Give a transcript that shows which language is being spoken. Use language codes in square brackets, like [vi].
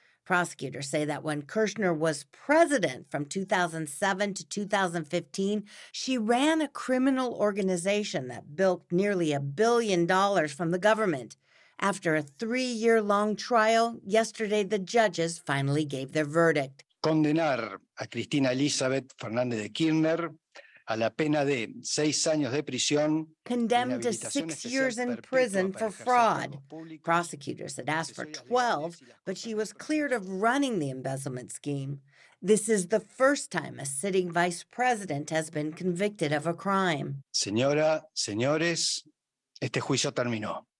[en] Prosecutors say that when Kirchner was president from 2007 to 2015, she ran a criminal organization that bilked nearly $1 billion from the government. After a three-year-long trial, yesterday the judges finally gave their verdict. [es] Condenar a Cristina Elizabeth Fernández de Kirchner a la pena de 6 años de prisión. [en] Condemned to 6 years in prison for fraud. Prosecutors had asked for 12, but she was cleared of running the embezzlement scheme. This is the first time a sitting vice president has been convicted of a crime. [es] Señora, señores, este juicio terminó.